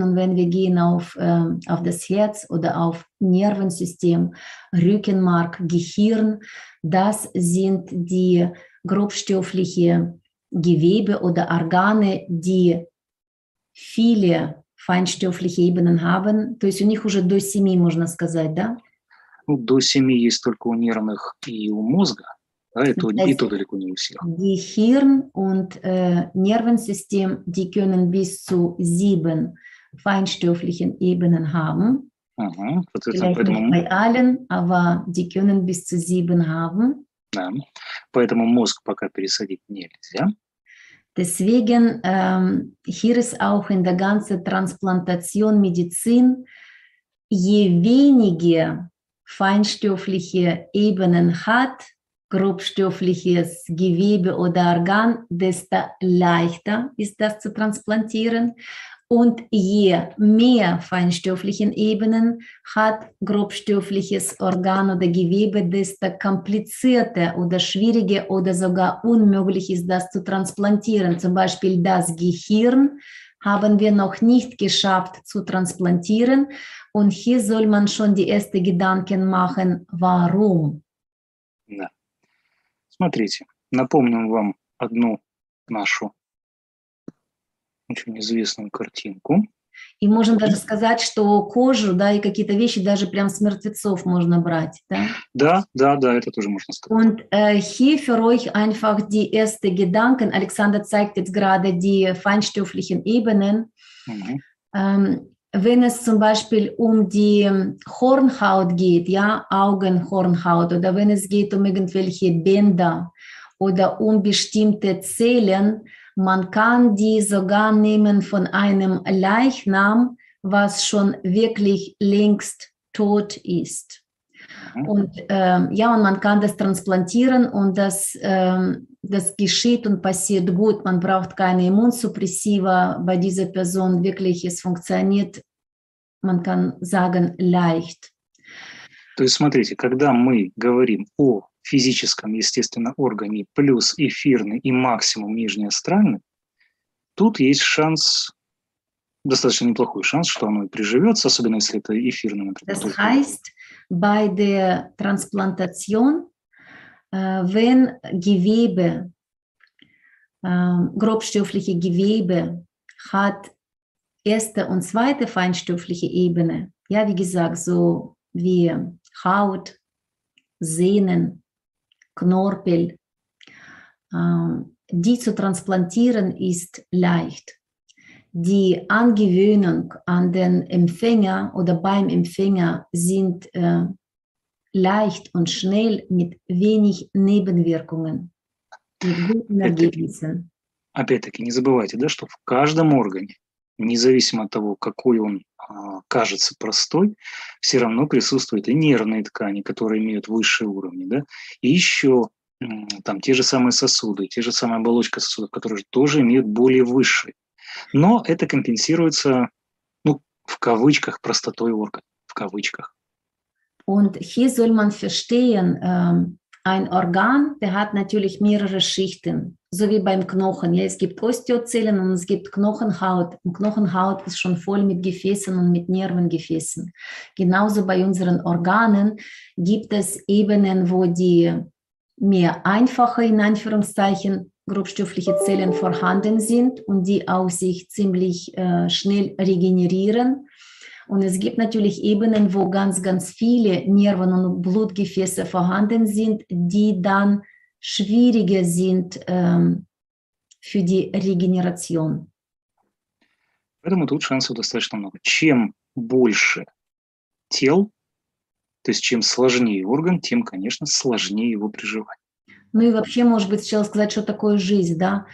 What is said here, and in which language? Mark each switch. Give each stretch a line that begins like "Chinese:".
German: Und wenn wir gehen auf das Herz oder auf Nervensystem, Rückenmark, Gehirn, das sind die grobstoffliche Gewebe oder Organe, die viele feinstoffliche Ebenen haben.
Russian: То есть у них уже до семи, можно сказать, да? Ну, до семи есть только у нервных и у мозга.
German: Gehirn und Nervensystem, die können bis zu 7 feinstofflichen Ebenen haben. Vielleicht nicht bei allen, aber die können bis zu 7 haben. Ja.
Russian: Поэтому мозг пока пересадить нельзя.
German: Deswegen, hier ist auch in der ganzen Transplantation, Medizin, je weniger feinstoffliche Ebenen hat, grobstoffliches Gewebe oder Organ, desto leichter ist das zu transplantieren. Und je mehr feinstofflichen Ebenen hat grobstoffliches Organ oder Gewebe, desto komplizierter oder schwieriger oder sogar unmöglich ist das zu transplantieren. Zum Beispiel das Gehirn haben wir noch nicht geschafft zu transplantieren. Und hier soll man schon die ersten Gedanken machen, warum? Ja.
Russian: Смотрите, напомним вам одну нашу очень известную картинку. И можно даже сказать, что кожу, да, и какие-то вещи даже прям с мертвецов можно брать, да? Да, да, да, это тоже можно сказать.
German: Und hier für euch einfach die ersten Gedanken. Alexander zeigt jetzt gerade die feinstofflichen Ebenen. Mm-hmm. Wenn es zum Beispiel um die Hornhaut geht, ja, Augenhornhaut, oder wenn es geht um irgendwelche Bänder oder um bestimmte Zellen, man kann die sogar nehmen von einem Leichnam, was schon wirklich längst tot ist. Und ja, und man kann das transplantieren und das, das geschieht und passiert gut. Man braucht keine Immunsuppressiva bei dieser Person. Wirklich, es funktioniert, man kann sagen, leicht.
Russian: То есть, смотрите, когда мы говорим о физическом, естественно, органе плюс эфирный и максимум нижний астральный, тут есть шанс... Достаточно неплохой шанс, что оно и приживется, особенно если это эфирный, например.
German: Das heißt, bei der Transplantation, wenn Gewebe, grobstoffliche Gewebe hat erste und zweite feinstoffliche Ebene, ja, wie gesagt, so wie Haut, Sehnen, Knorpel, die zu transplantieren ist leicht. Die Angewöhnung an den Empfänger oder beim Empfänger sind leicht und schnell mit wenig Nebenwirkungen, mit guten Ergebnissen.
Russian: Опять-таки, не забывайте, да, что в каждом органе, независимо от того, какой он кажется простой, все равно присутствуют и нервные ткани, которые имеют высшие уровни, да, и еще там те же самые сосуды, те же самые оболочки сосудов, которые тоже имеют более высшие. Но это компенсируется, ну, в кавычках, простотой органа, в кавычках.
German: Und hier soll man verstehen, ein Organ, der hat natürlich mehrere Schichten, so wie beim Knochen. Ja, es gibt Osteozellen und es gibt Knochenhaut. Und Knochenhaut ist schon voll mit Gefäßen und mit Nervengefäßen. Genauso bei unseren Organen gibt es Ebenen, wo die mehr einfache, in Anführungszeichen, grobstoffliche Zellen vorhanden sind und die auch sich ziemlich schnell regenerieren. Und es gibt natürlich Ebenen, wo ganz, ganz viele Nerven und Blutgefäße vorhanden sind, die dann schwieriger sind für die Regeneration.
Russian: Поэтому тут шансов достаточно много. Чем больше тел, то есть чем сложнее орган, тем, конечно, сложнее его приживать. Ну и вообще, может быть, сначала сказать, что такое жизнь, да?